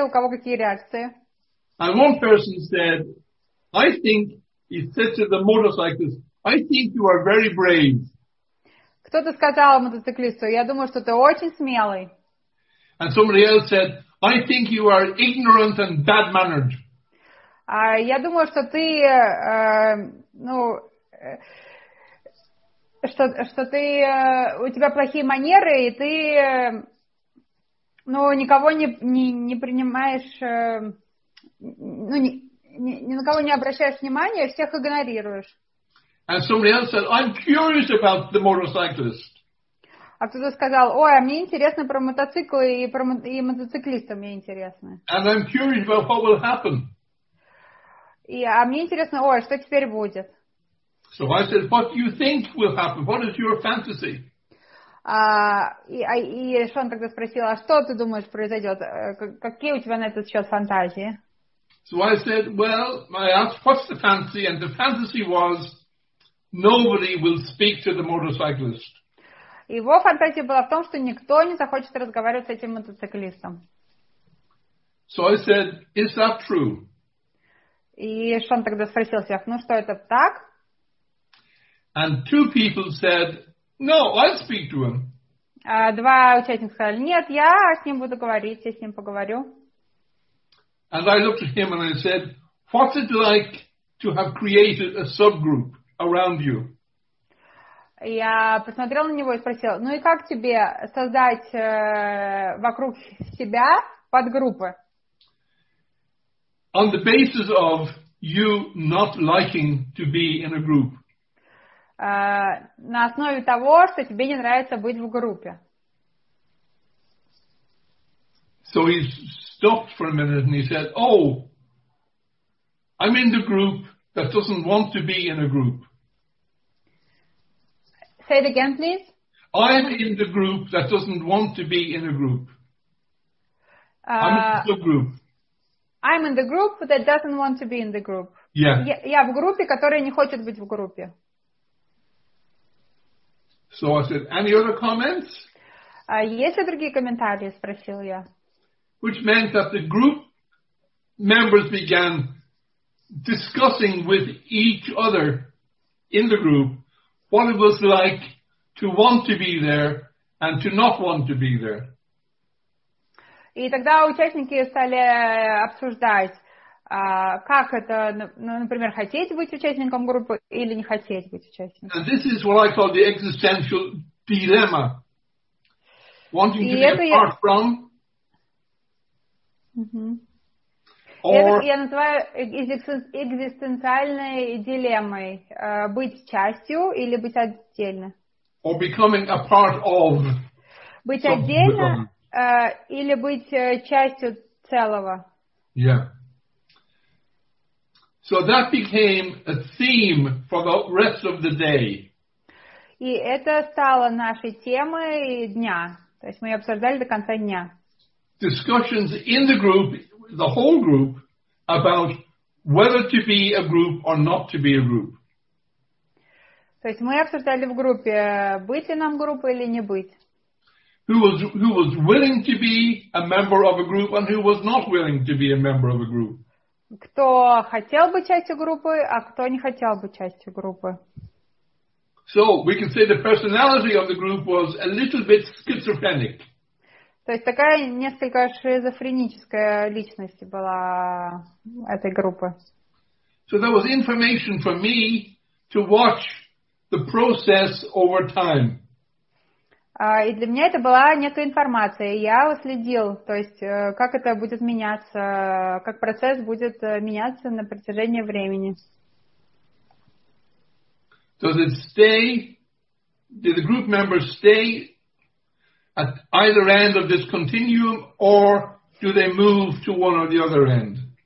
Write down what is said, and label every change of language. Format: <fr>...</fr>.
<ru>У кого какие реакции?</ru> <en>And one person said, I think, he said to the motorcyclist, I think you are very brave.</en> <ru>Кто-то сказал мотоциклисту, я думаю, что ты очень смелый.</ru> <en>And somebody else said, I think you are ignorant and bad-mannered.</en> <ru>Я думаю, что ты, у тебя плохие манеры, и ты, никого не принимаешь, ни на кого не обращаешь внимания, всех игнорируешь.</ru> <en>And somebody else said, I'm curious about the motorcyclist.</en> <ru>А кто-то сказал, ой, а мне интересно про мотоциклы, и мотоциклистам мне интересно.</ru> <en>And I'm curious about what will happen.</en> <ru>А мне интересно, ой, что теперь будет?</ru> <en>So I said, what do you think will happen? What is your fantasy?</en> <ru>И Шон тогда спросил, а что ты думаешь произойдет? Какие у тебя на этот счет фантазии?</ru> <en>So I said, well, I asked, what's the fantasy? And the fantasy was, nobody will speak to the motorcyclist.</en> <ru>Его фантазия была в том, что никто не захочет разговаривать с этим мотоциклистом.</ru> <en>So I said, is that true?</en> <ru>И Шон тогда спросил всех, ну что, это так?</ru> <en>And two people said, no, I'll speak to him.</en> <ru>Два участника сказали, нет, я с ним буду говорить, я с ним поговорю.</ru> <en>And I looked at him and I said, what's it like to have created a subgroup around you?</en> <ru>Я посмотрела на него и спросила, ну и как тебе создать вокруг себя подгруппы?</ru> <en>On the basis of you not liking to be in a group.</en> <ru>На основе того, что тебе не нравится быть в группе.</ru> <en>So he stopped for a minute and he said, oh, I'm in the group that doesn't want to be in a group. Say it again, please. I'm in the group that doesn't want to be in a group. I'm in the group. I'm in the group that doesn't want to be in the group. Yeah.</en> <ru>Я в группе, которая не хочет быть в группе.</ru> <en>So I said, any other comments?</en> <ru>Есть ли другие комментарии? Спросил я.</ru> <en>Which meant that the group members began discussing with each other in the group what it was like to want to be there and to not want to be there.</en> <ru>И тогда участники стали обсуждать, как это, например, хотеть быть участником группы или не хотеть быть участником.</ru> <en>And this is what I call the existential dilemma. Wanting to be apart from.</en> <ru>Это я называю экзистенциальной дилеммой. Быть частью или быть отдельно.</ru> <en>Or becoming a part of.</en> <ru>Быть отдельно или быть частью целого.</ru> <en>Yeah. So that became a theme for the rest of the day.</en> <ru>И это стало нашей темой дня. То есть мы ее обсуждали до конца дня.</ru> <en>Discussions in the group, the whole group, about whether to be a group or not to be a group.</en> <ru>То есть мы обсуждали в группе, быть ли нам группой или не быть.</ru> <en>Who was willing to be a member of a group and who was not willing to be a member of a group.</en> <ru>Кто хотел быть частью группы, а кто не хотел быть частью группы.</ru> <en>So we can say the personality of the group was a little bit schizophrenic.</en> <ru>То есть такая несколько шизофреническая личность была этой группы.</ru> <en>So there was information for me to watch the process over time.</en> <ru>И для меня это была некая информация. Я следил, то есть как это будет меняться, как процесс будет меняться на протяжении времени.</ru> <en>Does it stay? Did the group members stay at either end of this continuum, or do they move to one or the other end?</en>